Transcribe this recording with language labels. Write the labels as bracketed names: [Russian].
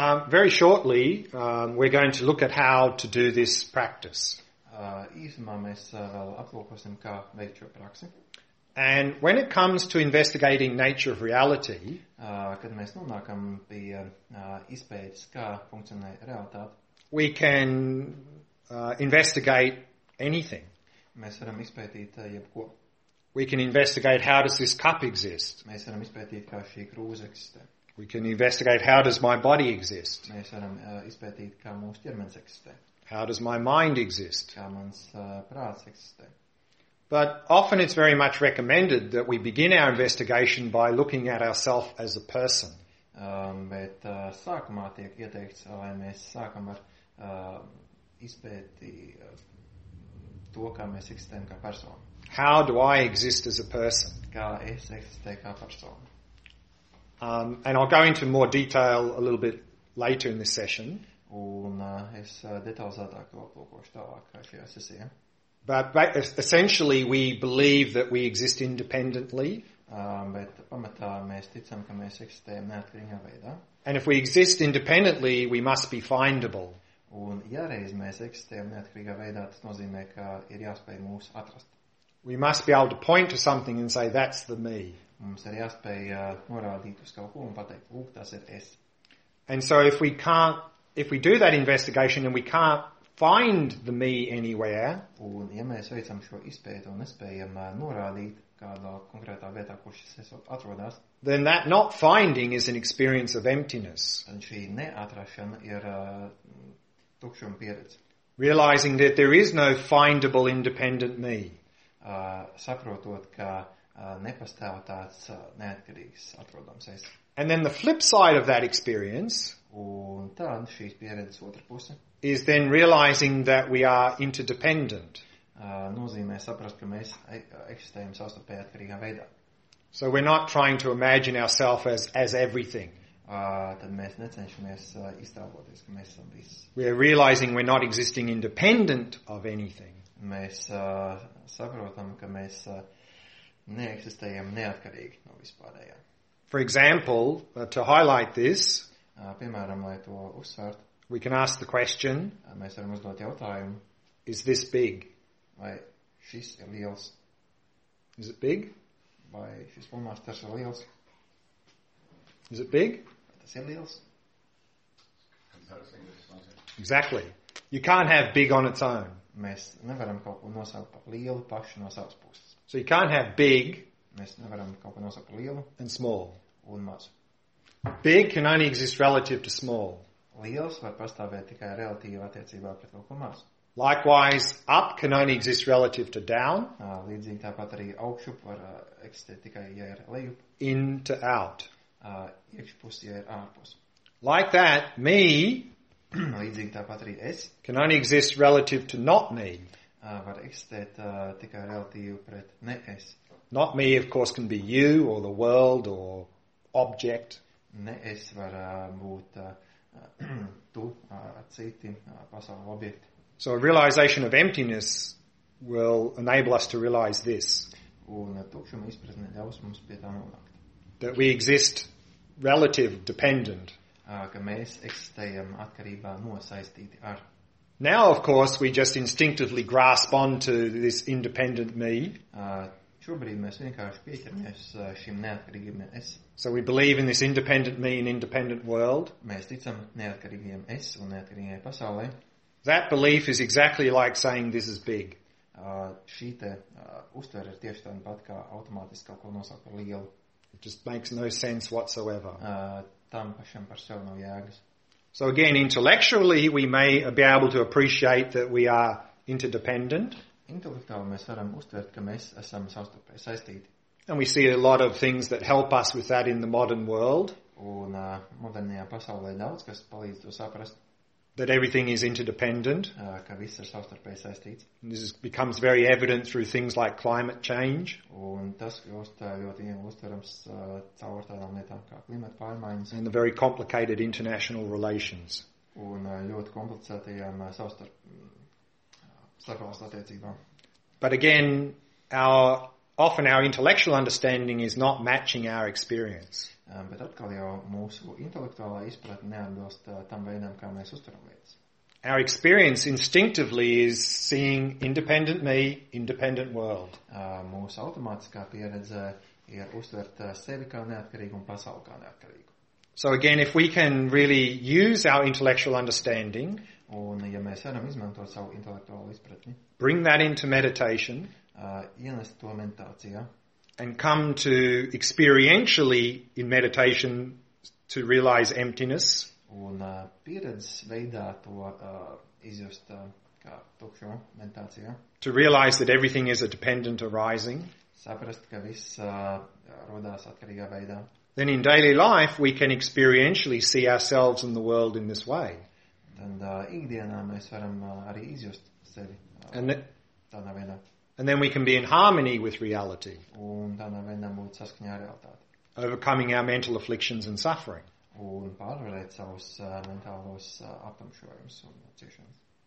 [English] Very shortly, we're going to look at how to do this practice. [Latvian] Īsumā mēs vēl aplūkosim, kā veikt šo praksi. [English] And when it comes to investigating nature of reality, [Latvian] kad mēs nonākam pie izpētes, kā funkcionē realitāte, [English] we can investigate anything. [Latvian] Mēs varam izpētīt jebko. [English] We can investigate how does this cup exist. [Latvian] Mēs varam izpētīt, kā šī krūze eksistē. [English] We can investigate how does my body exist. [Latvian] Mēs varam izpētīt, kā mūsu ķermenis eksistē. [English] How does my mind exist? [Latvian] Kā mans prāts eksistē. [English] But often it's very much recommended that we begin our investigation by looking at ourselves as a person. [Latvian] Bet sākumā tiek ieteikts, lai mēs sākam ar izpēti to, kā mēs eksistējam kā persona. [English] How do I exist as a person? [Latvian] Kā es eksistēju kā persona. [English] And I'll go into more detail a little bit later in this session. [Latvian] Un es detalizētāk to aplūkošu tālāk šajā sesijā. [English] But essentially we believe that we exist independently. [Latvian] Bet pamatā mēs ticam, ka mēs eksistējam neatkarīgā veidā. [English] And if we exist independently, we must be findable. [Latvian] Un jāreiz mēs eksistējam neatkarīgā veidā, tas nozīmē, ka ir jāspēj mūs atrast. [English] We must be able to point to something and say, that's the me. [Latvian] Mums ir jāspēj norādīt uz kaut ko un pateikt, lūk, tas ir es. [English] And so if we can't, if we do that investigation and we can't find the me anywhere, [Latvian] un ja mēs veicam šo izpēti un nespējam norādīt kādā konkrētā vietā, kur šis es atrodas, [English] then that not finding is an experience of emptiness. [Latvian] Un šī neatrašana ir tukšuma pieredze. [English] Realizing that there is no findable independent me. [Latvian] Saprotot, ka nepastāv tāds neatkarīgs atrodams es. [English] And then the flip side of that experience, [Latvian] un tad šīs pieredzes otra puse, [English] is then realizing that we are interdependent. [Latvian] Nozīmē saprast, ka mēs eksistējam savstarpēji atkarīgā veidā. [English] So we're not trying to imagine ourselves as everything. [Latvian] Tad mēs necenšamies iztēloties, ka mēs esam viss. [English] We are realizing we're not existing independent of anything. [Latvian] Mēs saprotam, ka mēs neeksistējam neatkarīgi no vispārējā. [English] For example, to highlight this, [Latvian] piemēram, lai to uzsvērtu, [English] we can ask the question, [Latvian] mēs varam uzdot jautājumu, [English] is this big? [Latvian] Vai šis ir liels? [English] Is it big? [Latvian] Vai šis pulmāsters ir liels? [English] Is it big? [Latvian] Vai tas ir liels? [English] Exactly. You can't have big on its own. [Latvian] Mēs nevaram kaut ko nosaukt par lielu pašu no savas puses. [English] So you can't have big. [Latvian] Mēs nevaram kaut ko nosaukt par lielu. [English] And small. [Latvian] Un maz. [English] Big can only exist relative to small. [Latvian] Liels var pastāvēt tikai relatīvi attiecībā pret kaut ko mazu. [English] Likewise, up can only exist relative to down. [Latvian] Līdzīgi tāpat arī augšup var eksistēt tikai, ja ir lejup. [English] In to out. [Latvian] iekšpusē ir ārpus. [English] Like that, me [Latvian] līdzīgi tāpat arī es [English] can only exist relative to not me. [Latvian] Var eksistēt tikai relatīvi pret ne es. [English] Not me, of course, can be you or the world or object. [Latvian] Ne es var būt tu, citi, pasaules objekti. [English] So a realization of emptiness will enable us to realize this. [Latvian] Un tukšuma izpratne ļaus mums pie tā nonākt. [English] That we exist relative, dependent. [Latvian] Ka mēs eksistējam atkarībā nosaistīti ar. [English] Now, of course, we just instinctively grasp on to this independent me. [Latvian] Šobrīd mēs vienkārši pieķeramies šim neatkarīgiem es. [English] So we believe in this independent me and independent world. [Latvian] Mēs ticam neatkarīgiem es un neatkarīgajai pasaulē. [English] That belief is exactly like saying this is big. [Latvian] Šīte uztvere ir tieši tāda pat, kā automātiski kaut ko nosaukt par lielu. [English] It just makes no sense whatsoever. [Latvian] Tam pašam par sev nav jēgas. [English] So again, intellectually, we may be able to appreciate that we are interdependent. [Latvian] Intelektuāli mēs varam uztvert, ka mēs esam savstarpēji saistīti. [English] And we see a lot of things that help us with that in the modern world. [Latvian] Un modernajā pasaulē daudz, kas palīdz to saprast. [English] That everything is interdependent. [Latvian] Ka viss ir savstarpēji saistīts. [English] And this becomes very evident through things like climate change. [Latvian] Un tas kļūst ļoti uztverams caur tādām lietām kā klimata pārmaiņas. [English] And the very complicated international relations. [Latvian] Un ļoti komplicētajām starpās attiecībām. [English] But again, often our intellectual understanding is not matching our experience. [Latvian] Bet atkal jau mūsu intelektuālā izpratne neatbilst tam veidam, kā mēs uztveram lietas. [English] Our experience instinctively is seeing independent me, independent world. [Latvian] Mūsu automātiskā pieredze ir uztvert sevi kā neatkarīgu un pasauli kā neatkarīgu. [English] So again, if we can really use our intellectual understanding, [Latvian] un ja mēs varam izmantot savu intelektuālo izpratni, [English] bring that into meditation, [Latvian] ienest to meditācijā, [English] and come to experientially in meditation to realize emptiness. [Latvian] Un pieredzes veidā to izjust kā tukšo meditācijā. [English] To realize that everything is a dependent arising. [Latvian] Saprast, ka viss rodās atkarīgā veidā. [English] Then in daily life we can experientially see ourselves and the world in this way. [Latvian] Tad ikdienā mēs varam arī izjust sevi tādā veidā. [English] And then we can be in harmony with reality. [Latvian] Un tādā veidā būt saskaņā ar realitāti. [English] Overcoming our mental afflictions and suffering. [Latvian] Un pārvarēt savus mentālos aptumšojumus un ciešanas.